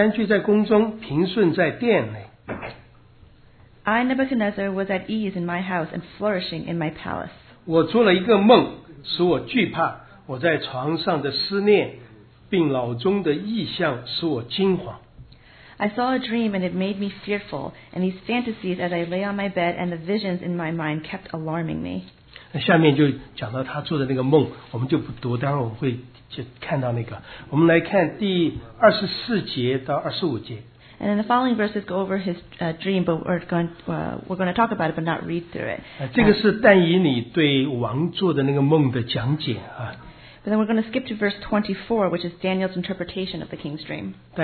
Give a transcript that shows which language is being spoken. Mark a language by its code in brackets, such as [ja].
[zh] 我尼布甲尼撒安居在宫中平顺在殿内。 [en] I, Nebuchadnezzar, was at ease in my house and flourishing in my palace. [zh] 我做了一个梦使我惧怕，我在床上的思念并脑中的异象使我惊慌。 [en] I saw a dream and it made me fearful, and these fantasies as I lay on my bed and the visions in my mind kept alarming me. [zh] 下面就讲到他做的那个梦，我们就不读，待会儿我们会去看到那个。我们来看第24节到25节。 [en] And in the following verses go over his dream, but we're going to talk about it, but not read through it. [zh] 这个是但以理对王做的那个梦的讲解啊。 [en] But then we're going to skip to verse 24, which is Daniel's interpretation of the king's dream.